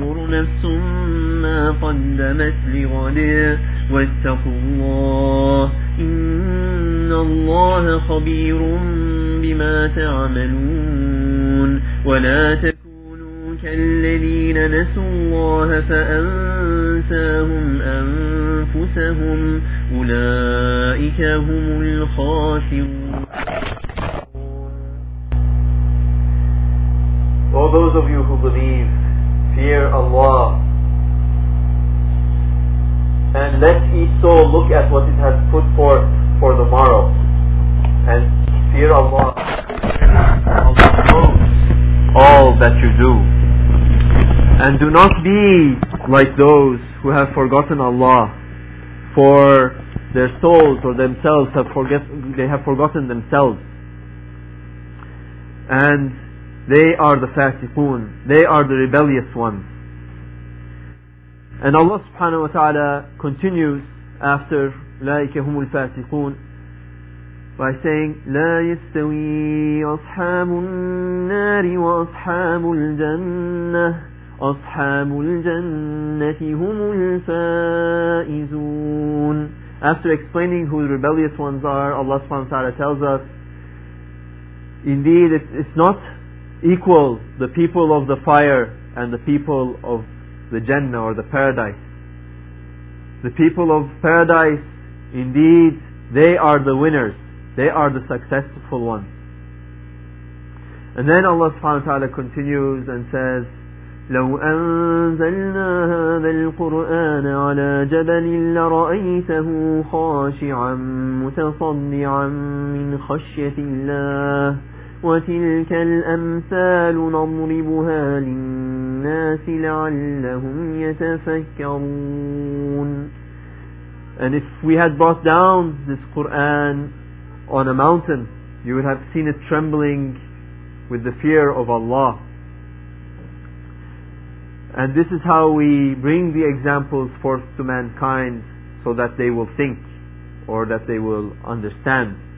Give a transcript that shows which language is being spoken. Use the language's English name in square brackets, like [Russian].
[Arabic] نفس ما قدمت لغد واتقوا الله إن الله خبير بما تعملون ولا تكونوا كالذين نسوا الله فأنساهم أنفسهم أولئك هم الخاسرون. [English] All those of you who believe, fear Allah, and let each soul look at what it has put forth for the morrow, and fear Allah, Allah knows all that you do, and do not be like those who have forgotten Allah, for their souls or themselves have forgotten themselves, and they are the fasiqoon, they are the rebellious ones. And Allah subhanahu wa ta'ala continues after [Arabic] أُولَئِكَ هُمُ الْفَاسِقُونَ [English] by saying [Arabic] لَا يَسْتَوِي أَصْحَابُ النَّارِ وَأَصْحَابُ الْجَنَّةِ أَصْحَابُ الْجَنَّةِ هُمُ الْفَائِزُونَ. [English] After explaining who the rebellious ones are, Allah subhanahu wa ta'ala tells us, indeed it's not equal the people of the fire and the people of the Jannah or the Paradise. The people of Paradise, indeed, they are the winners. They are the successful ones. And then Allah subhanahu wa ta'ala continues and says, [Arabic] لَوْ أَنزَلْنَا هَذَا الْقُرْآنَ عَلَى جَبَلٍ لَرَأَيْتَهُ خَاشِعًا مُتَصَدِّعًا مِّنْ خَشْيَةِ اللَّهِ وتلك الأمثال نضربها للناس لعلهم يتفكرون. [English] And if we had brought down this Quran on a mountain, you would have seen it trembling with the fear of Allah. And this is how we bring the examples forth to mankind, so that they will think, or that they will understand.